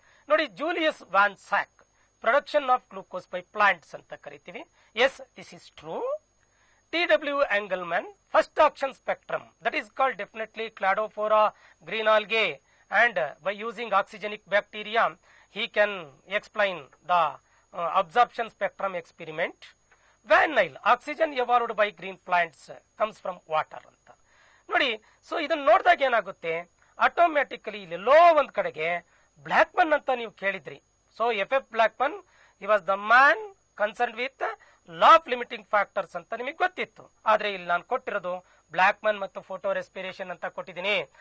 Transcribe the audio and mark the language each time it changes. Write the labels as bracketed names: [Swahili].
[English] ನೋಡಿ, Julius von Sachs production of glucose by plants [Kannada] ಅಂತ ಕರಿತೀವಿ. [English] Yes, this is true. T W Engelmann first action spectrum, that is called definitely Cladophora green algae, and by using oxygenic bacteria he can explain the absorption spectrum experiment. Van Nile, oxygen evolved by green plants, comes from water. [Kannada] ನೋಡಿ, so ಇದನ್ನು ನೋಡಿದಾಗ ಏನಾಗುತ್ತೆ, automatically ಇಲ್ಲಿ low ಒಂದ್ ಕಡೆಗೆ Blackman ಅಂತ ನೀವು ಕೇಳಿದ್ರಿ. [English] so F F Blackman, he was the man concern with law of limiting factors [Kannada] ಅಂತ ನಿಮಗೆ ಗೊತ್ತಿತ್ತು. ಆದ್ರೆ ಇಲ್ಲಿ ನಾನು ಕೊಟ್ಟಿರೋದು ಬ್ಲಾಕ್ಮನ್ ಮತ್ತು ಫೋಟೋ ರೆಸ್ಪಿರೇಷನ್ ಅಂತ ಕೊಟ್ಟಿದ್ದೀನಿ.